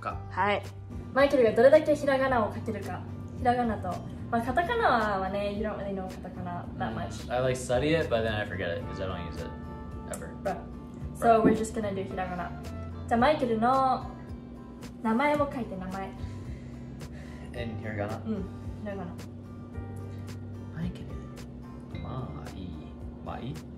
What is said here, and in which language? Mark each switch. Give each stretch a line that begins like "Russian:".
Japanese: はい。マイケルがどれだけひらがなを書けるかひらがなと、まあ、カタカナはね、
English: you don't really know カタカナ that much. I like study it, but then I forget it because I don't use it ever. So we're just gonna do ひらがな。
Japanese: じゃあマイケルの名前を書いて名前。
English: In ひらがな。
Japanese: うん、ひらがな。マイケル。まあいい、まあいい。